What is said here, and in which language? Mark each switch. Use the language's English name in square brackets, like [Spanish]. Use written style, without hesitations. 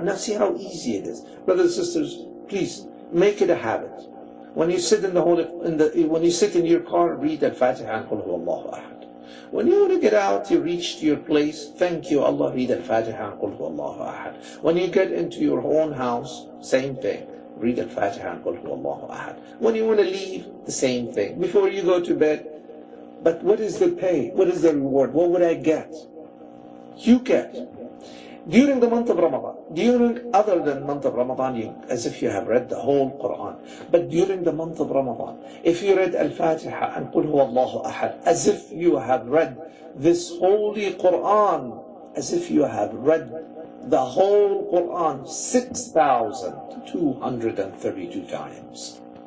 [English] Now see how easy it is. Brothers and sisters, please, make it a habit. When you sit in the holy, when you sit in your car, read Al-Fatiha and Qul Huwa Allahu Ahad. When you want to get out, you reach to your place, thank you Allah, read Al-Fatiha and Qul Huwa Allahu Ahad. When you get into your own house, same thing, read Al-Fatiha and [Arabic] قل هو الله أحد. [English] When you want to leave, the same thing. Before you go to bed, but what is the pay? What is the reward? What would I get? You get. During the month of Ramadan, during other than month of Ramadan, you, as if you have read the whole Quran. But during the month of Ramadan, if you read Al-Fatiha and [Arabic] قل هو الله أحد, [English] as if you have read this holy Quran, as if you have read the whole Quran 6,232 times.